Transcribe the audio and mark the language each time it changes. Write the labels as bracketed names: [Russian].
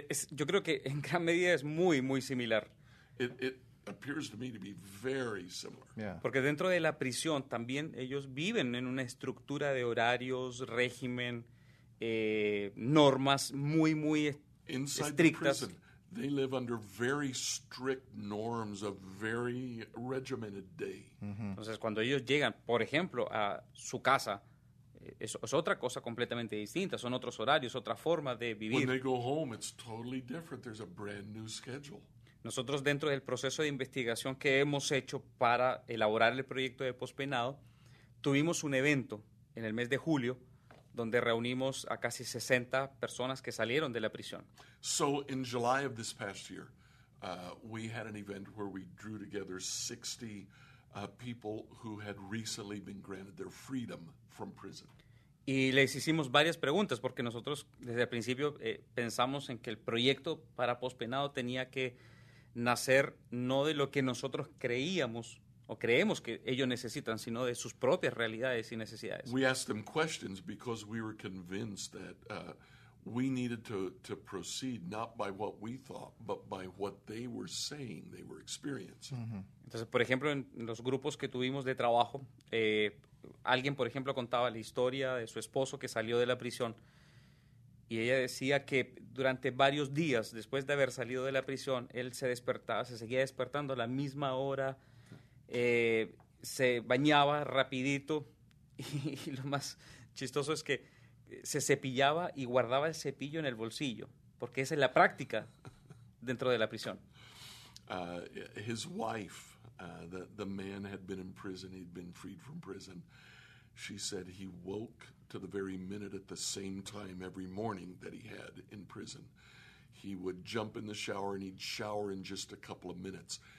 [Spanish] Yo creo que en gran medida es muy, muy similar. [English] It appears to me to be very similar. Yeah. [Spanish] Porque dentro de la prisión también ellos viven en una estructura de horarios, régimen, normas muy, muy estrictas. [English] Inside the prison, they live under very strict norms, a very regimented day. Mm-hmm. [Spanish] Entonces, cuando ellos llegan, por ejemplo, a su casa, es otra cosa completamente distinta. Son otros horarios, otra forma de vivir. [English] When they go home, it's totally different. There's a brand new schedule. [Spanish] Nosotros, dentro del proceso de investigación que hemos hecho para elaborar el proyecto de pospenado, tuvimos un evento en el mes de julio donde reunimos a casi 60 personas que salieron de la prisión. [English] So, in July of this past year, we had an event where we drew together 60 people who had recently been granted their freedom from prison. [Spanish] Y les hicimos varias preguntas porque nosotros, desde el principio, pensamos en que el proyecto para pospenado tenía que nacer no de lo que nosotros creíamos o creemos que ellos necesitan, sino de sus propias realidades y necesidades. [English] We asked them questions because we were convinced that we needed to proceed not by what we thought, but by what they were saying they were experiencing. Mm-hmm. [Spanish] Entonces, por ejemplo, en los grupos que tuvimos de trabajo, alguien, por ejemplo, contaba la historia de su esposo que salió de la prisión. Y ella decía que durante varios días después de haber salido de la prisión, él se despertaba, se seguía despertando a la misma hora, se bañaba rapidito y lo más chistoso es que se cepillaba y guardaba el cepillo en el bolsillo, porque esa es la práctica dentro de la prisión. [English] His wife, the man had been in prison, he'd been freed from prison. She said he woke to the very minute at the same time every morning that he had in prison. He would jump in the shower and he'd shower in just a couple of minutes.